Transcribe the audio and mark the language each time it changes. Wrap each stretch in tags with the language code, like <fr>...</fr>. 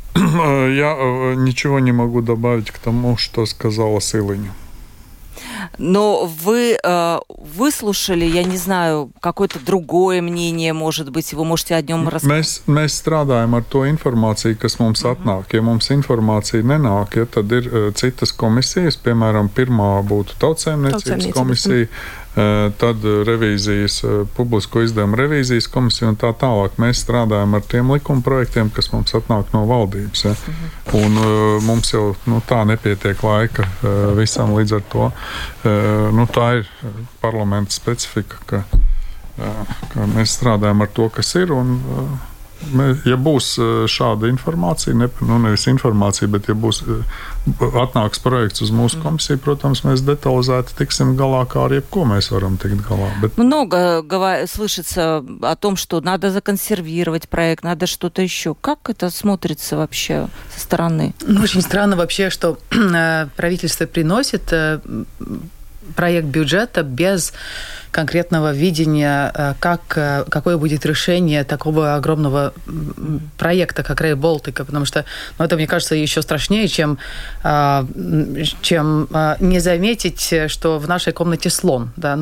<ru>Я ничего не могу добавить к тому, что сказала Силлинна. Но вы выслушали, я не знаю, какое-то другое мнение, может быть, вы можете о нём рассказать?</ru> <lv>Мы страдаем ар то информацией, кас мумс атнак. Ja mums informācija nenāk, ja tad ir citas komisijas, piemēram, pirmā būtu tautsaimniecības komisija, tad revīzijas, publisko izdevumu revīzijas komisija un tā tālāk. Mēs strādājam ar tiem likumprojektiem, kas mums atnāk no valdības. Ja? Un mums jau tā nepietiek laika visam līdz ar to. Tā ir parlamenta specifika, ka mēs strādājam ar to, kas ir. Un, ja būs šāda informācija, nevis informācija, bet ja būs atnāks projekts uz mūsu komisiju, protams, mēs detalizēti tiksim galā, kā arī ko mēs varam tikt galā. Bet...</lv> <ru>Много слышится о том, что надо законсервировать проект, надо что-то еще. Как это смотрится вообще со стороны? Очень странно вообще, что правительство приносит проект бюджета без конкретного видения, какое будет решение такого огромного проекта, как Rail Baltic, потому что это, мне кажется, еще страшнее, чем не заметить, что в нашей комнате слон. Да?</ru>